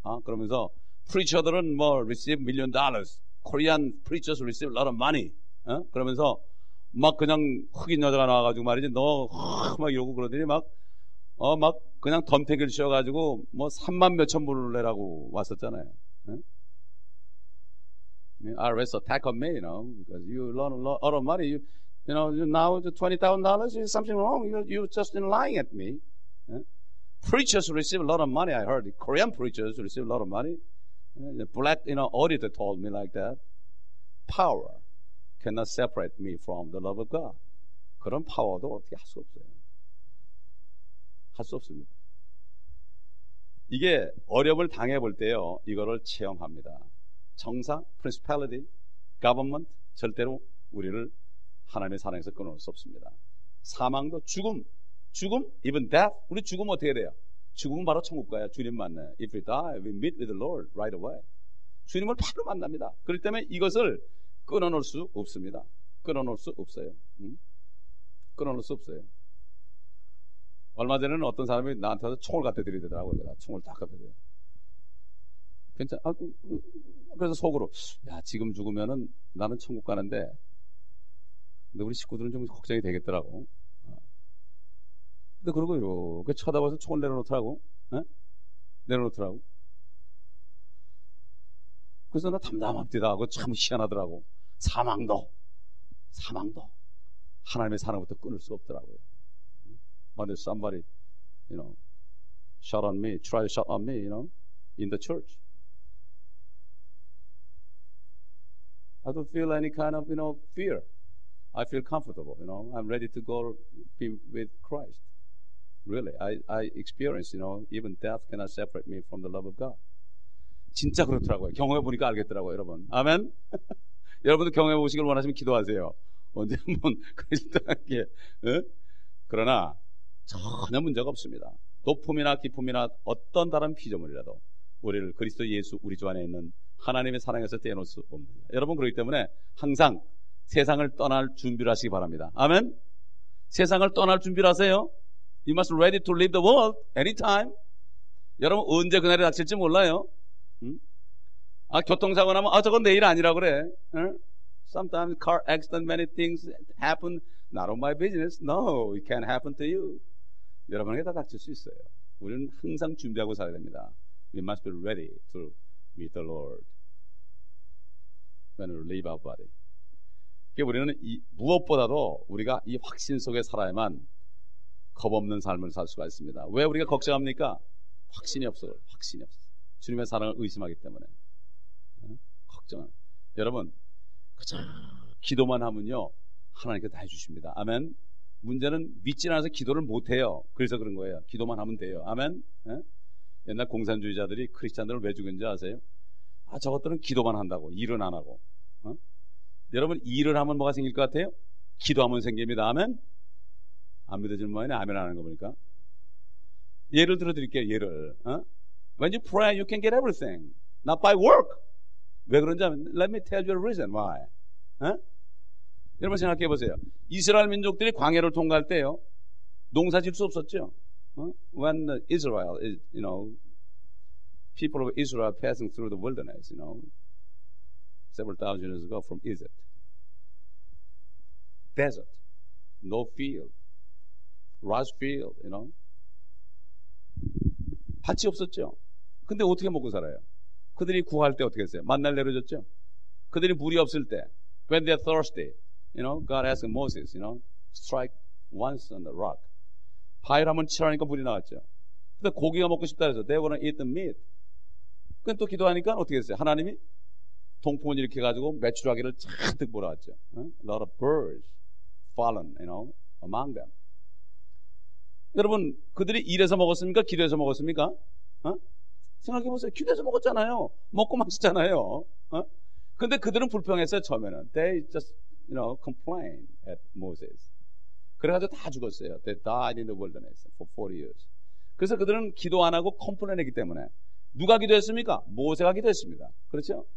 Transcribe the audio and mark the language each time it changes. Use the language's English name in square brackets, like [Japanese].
[Korean] 그러면서 [English] preacher들은 뭐 receive million dollars, Korean preachers receive a lot of money. [Korean] 그러면서 막 그냥 흑인 여자가 나와가지고 말이지 너 막 이러고 그러더니 막 막 그냥 덤태기를 씌워가지고 뭐 3만 몇천 불을 내라고 왔었잖아요. [English] IRS attack on me, you know, because you learn a lot of money. You know, now $20,000 is something wrong. You just been lying at me. Preachers receive a lot of money. I heard Korean preachers receive a lot of money. Black, you know, auditor told me like that. Power cannot separate me from the love of God. [Korean] 그런 파워도 어떻게 할 수 없어요. 할 수 없습니다. 이게 어려움을 당해 볼 때요, 이거를 체험합니다. 정사, [English] principality, government [Korean] 절대로 우리를 하나님의 사랑에서 끊어낼 수 없습니다. 사망도 죽음, [English] even death. [Korean] 우리 죽음 어떻게 돼요? 죽음은 바로 천국 가야 주님 만나. [English] If we die, we meet with the Lord right away. [Korean] 주님을 바로 만납니다. 그렇기 때문에 이것을 끊어놓을 수 없습니다. 끊어놓을 수 없어요. 끊어놓을 수 없어요. 얼마 전에는 어떤 사람이 나한테 와서 총을 갖다 드리더라고요. 내가 총을 다 갖다 드려요. 괜찮아. 그래서 속으로, 야, 지금 죽으면은 나는 천국 가는데, 근데 우리 식구들은 좀 걱정이 되겠더라고. 근데 그러고 이렇게 쳐다봐서 총을 내려놓더라고. 에? 내려놓더라고. 그래서 나 담담합니다 하고 참 희한하더라고. 사망도 하나님의 사랑부터 끊을 수 없더라고요. [English] But if somebody, you know, shot on me, try to shot on me, you know, in the church, I don't feel any kind of, you know, fear. I feel comfortable, you know. I'm ready to go be with Christ. Really, I experience, you know, even death cannot separate me from the love of God. [Korean] 진짜 그렇더라고요. 경험해 보니까 알겠더라고요, 여러분. 아멘. 여러분도 경험해 보시길 원하시면 기도하세요. 언제 한번 그리스도에게. 그러나 전혀 문제가 없습니다. 높음이나 깊음이나 어떤 다른 피조물이라도 우리를 그리스도 예수 우리 주 안에 있는 하나님의 사랑에서 떼어놓을 수 없습니다. 여러분 그렇기 때문에 항상 세상을 떠날 준비를 하시기 바랍니다. 아멘. 세상을 떠날 준비를 하세요. [English] You must ready to leave the world anytime. [Korean] 여러분 언제 그날이 닥칠지 몰라요. 아 교통사고 나면 아 저건 내일 아니라 그래. [English] Sometimes car accident, many things happen. Not on my business. No, it can happen to you. [Korean] 여러분에게 다 닥칠 수 있어요. 우리는 항상 준비하고 살아야 됩니다. [English] We must be ready to meet the Lord when we leave our body. [Korean] 그러니까 우리는 이 무엇보다도 우리가 이 확신 속에 살아야만 겁 없는 삶을 살 수가 있습니다. 왜 우리가 걱정합니까? 확신이 없어. 주님의 사랑을 의심하기 때문에. 걱정을. 여러분, 그저 기도만 하면요. 하나님께서 다 해주십니다. 아멘. 문제는 믿지 않아서 기도를 못해요. 그래서 그런 거예요. 기도만 하면 돼요. 아멘. 에? 옛날 공산주의자들이 크리스찬들을 왜 죽였는지 아세요? 아, 저것들은 기도만 한다고. 일은 안 하고. 여러분, 일을 하면 뭐가 생길 것 같아요? 기도하면 생깁니다. 아멘. 안 믿어지는 모양이네. 아멘 하는 거 보니까. 예를 들어 드릴게요. 예를. [English] When you pray, you can get everything. Not by work. [Korean] 왜 그런지 하면, [English] let me tell you a reason why. [Korean] 여러분 생각해 보세요. 이스라엘 민족들이 광야를 통과할 때요, 농사 질 수 없었죠. [English] When Israel, is, you know, people of Israel passing through the wilderness, you know, several thousand years ago from Egypt, desert, no field, rice field, you know, [Korean] 밭이 없었죠. 근데 어떻게 먹고 살아요? 그들이 구할 때 어떻게 했어요? 만날 내려줬죠. 그들이 물이 없을 때, [English] when they are thirsty. You know, God asked Moses, you know, strike once on the rock. [Korean] 바위를 한번 치라니까 물이 나왔죠. 근데 고기가 먹고 싶다 해서 [English] they wanna eat the meat. [Korean] 근데 또 기도하니까 어떻게 했어요? 하나님이 동풍을 일으켜 가지고 메추라기를 잔뜩 몰아왔죠. [English] A lot of birds fallen, you know, among them. [Korean] 여러분, 그들이 일해서 먹었습니까? 기도해서 먹었습니까? 생각해 보세요. 기도해서 먹었잖아요. 먹고 마셨잖아요. 근데 그들은 불평했어요, 처음에는. [English] They just You know, complain at Moses. [Korean] 그래가지고 다 죽었어요. [English] They died in the wilderness for 40 years. [Korean] 그래서 그들은 기도 안 하고 complain 했기 때문에 누가 기도했습니까? 모세가 기도했습니다. 그렇죠?